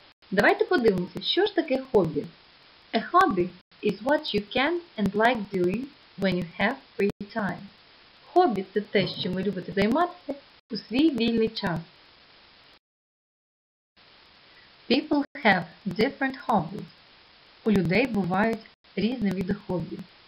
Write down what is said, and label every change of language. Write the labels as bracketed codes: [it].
[uk] Давайте подивимося, що ж таке хобі. [en] A hobby is what you can and like doing when you have free time. [uk] Хобі – це те, що ви любите займатися у свій вільний час. [en] People have different hobbies. [uk] У людей бувають різні види хобі.